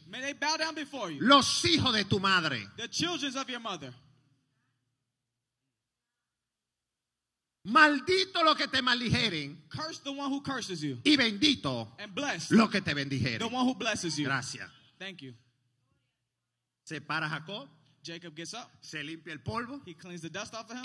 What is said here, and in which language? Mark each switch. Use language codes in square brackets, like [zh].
[en] May they bow down before you. [es] Los hijos de tu madre. [en] The children of your mother. [es] Maldito lo que te maldijeren. [en] Curse the one who curses you. [es] Y bendito. [en] And blessed. [es] Lo que te bendijeren. [en] The one who blesses you. [es] Gracias. [en] Thank you. [es] Separa Jacob. [en] Jacob gets up. [es] Se limpia el polvo. [en] He cleans the dust off of him.